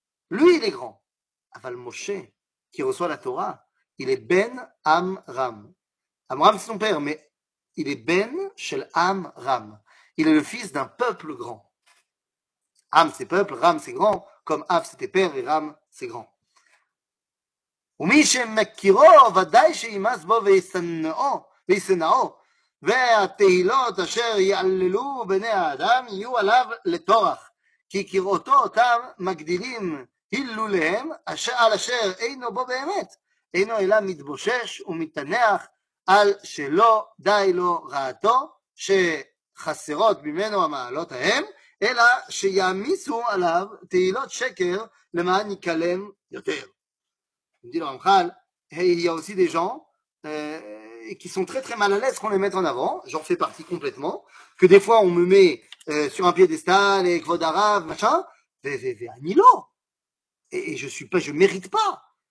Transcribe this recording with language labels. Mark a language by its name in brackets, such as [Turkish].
[French] Lui, il est grand. Aval Moshe, qui reçoit la Torah, il est Ben Amram. Amram, c'est son père, mais il est Ben Shel Amram. Il est le fils d'un peuple grand. Am, c'est peuple. Ram, c'est grand. Comme Av, c'était père, et Ram, c'est grand. [Hebrew] ומי שמכירו ודאי שימאס בו וישנאו והתהילות אשר יעללו בני האדם יהיו עליו לתורך כי כראותו אותם מגדילים הילוליהם על אשר אינו בו באמת אינו אלא מתבושש ומתנח על שלא די לו רעתו שחסרות ממנו המעלות ההם אלא שיעמיסו עליו תהילות שקר למען יקלם יותר. [French] Il me dit le Ramchal, et il y a aussi des gens qui sont très très mal à l'aise qu'on les mette en avant, j'en fais partie complètement, que des fois on me met sur un piédestal avec Vodarav, machin, mais Anilo, et je suis pas, je mérite pas.